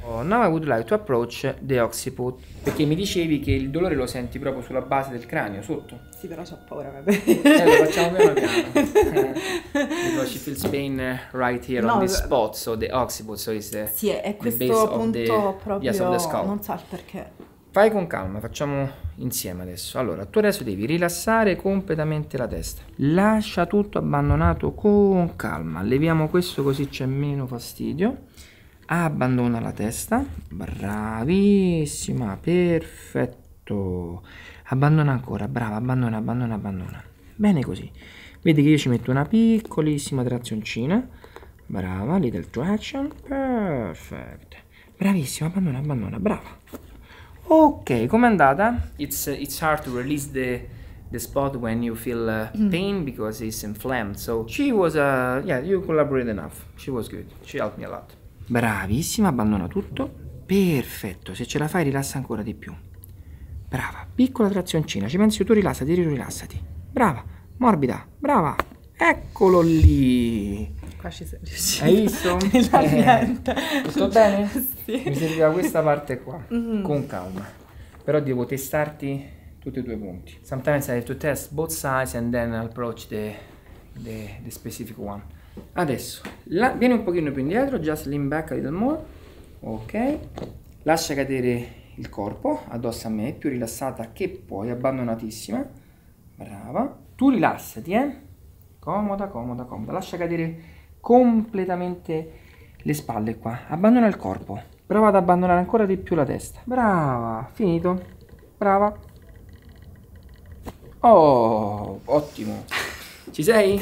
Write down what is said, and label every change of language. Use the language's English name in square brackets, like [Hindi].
[English] Oh, now I would like to approach the occiput. [Italian] Perché mi dicevi che il dolore lo senti proprio sulla base del cranio, sotto. Sì, però c'ho paura, vabbè. Lo facciamo piano piano. [English] Because she feels pain right here, no, on the spot, so the occiput, so is the, [Italian] sì, è questo punto proprio, [English] yes, of the skull. [Italian] Non so il perché. Fai con calma, facciamo insieme adesso. Allora, tu adesso devi rilassare completamente la testa. Lascia tutto abbandonato con calma. Leviamo questo così c'è meno fastidio. Abbandona la testa, bravissima, perfetto, abbandona ancora, brava, abbandona, abbandona, abbandona, bene così, vedi che io ci metto una piccolissima trazioncina, brava, [English] little traction, perfect, [Italian] bravissima, abbandona, abbandona, brava, ok, com'è andata? [English] It's hard to release the spot when you feel pain because it's inflamed, so she was, you collaborated enough, she was good, she helped me a lot. [Italian] Bravissima, abbandona tutto. Perfetto, se ce la fai rilassa ancora di più. Brava, piccola trazioncina. Ci pensi tu, rilassati, rilassati. Brava, morbida, brava. Eccolo lì. Qua ci sei riuscito. Hai visto? Tutto bene? Sì. Mi serviva questa parte qua. Con calma. Però devo testarti tutti e due i punti. [English] Sometimes I have to test both sides and then approach the specific one. [Italian] Adesso, vieni un pochino più indietro, [English] just lean back a little more, [Italian] ok, lascia cadere il corpo addosso a me, più rilassata che puoi, abbandonatissima, brava, tu rilassati, comoda, comoda, comoda, lascia cadere completamente le spalle qua, abbandona il corpo, prova ad abbandonare ancora di più la testa, brava, finito, brava, oh, ottimo, ci sei?